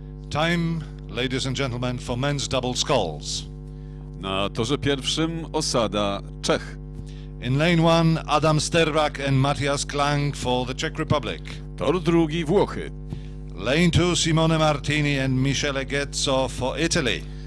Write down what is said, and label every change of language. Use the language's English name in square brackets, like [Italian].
[English] Time, ladies and gentlemen, for men's double sculls. [Polish] Na torze pierwszym osada Czech. [English] In lane one, Adam Sterbak and Matyas Klang for the Czech Republic. [Polish] Tor drugi Włochy. [English] Lane two, Simone Martini and Michele Ghezzo for Italy.